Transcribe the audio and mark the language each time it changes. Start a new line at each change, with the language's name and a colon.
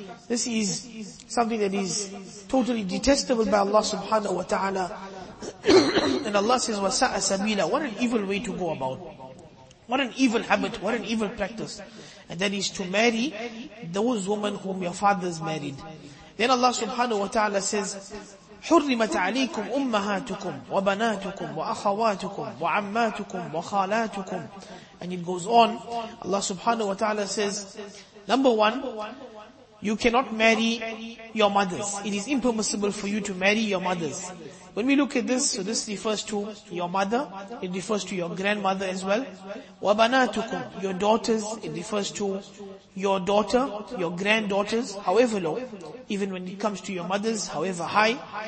English: This is something that is totally detestable by Allah subhanahu wa ta'ala. And Allah says, wasa'a sabila. What an evil way to go about. What an evil habit, what an evil practice. And that is to marry those women whom your fathers married. Then Allah subhanahu wa ta'ala says,
Arabic: حُرِّمَتْ عَلَيْكُمْ أُمَّهَاتُكُمْ وَبَنَاتُكُمْ وَأَخَوَاتُكُمْ وَعَمَّاتُكُمْ وَخَالَاتُكُمْ.
English: And it goes on. Allah subhanahu wa ta'ala says, number one, you cannot marry your mothers. It is impermissible for you to marry your mothers. When we look at this, so this refers to your mother, it refers to your grandmother as well. وَبَنَاتُكُمْ, your daughters, it refers to your daughter, your granddaughters, however low, even when it comes to your mothers, however high.